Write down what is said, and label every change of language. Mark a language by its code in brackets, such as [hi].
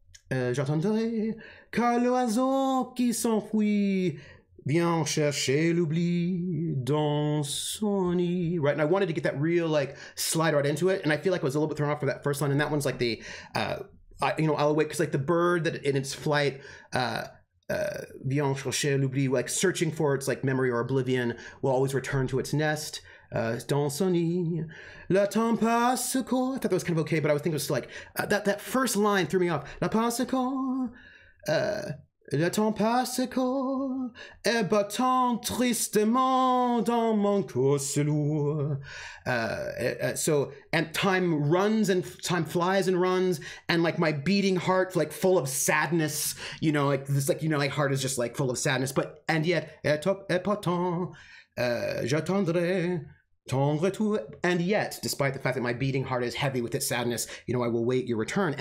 [fr] J'attendrai, car l'oiseau qui s'enfuit vient chercher l'oubli dans son nid, [en] right? And I wanted to get that real, like, slide right into it, and I feel like I was a little bit thrown off for that first line, and that one's like the, I'll wait, because like the bird that in its flight, [fr] vient chercher l'oubli, [en] like searching for its like memory or oblivion, will always return to its nest. [fr] Dans son nid, la tempête secoue. [en] I thought that was kind of okay, but I was thinking it was like that first line threw me off. [fr] La tempête secoue, la tempête secoue, et battant tristement dans mon cœur si lourd. [en] So and time runs and time flies and runs, and like my beating heart, like full of sadness, you know, like this, like, you know, like heart is just like full of sadness, but and yet, [fr] et pourtant, j'attendrai ton retour, [en] and yet, despite the fact that my beating heart is heavy with its sadness, you know, I will wait your return.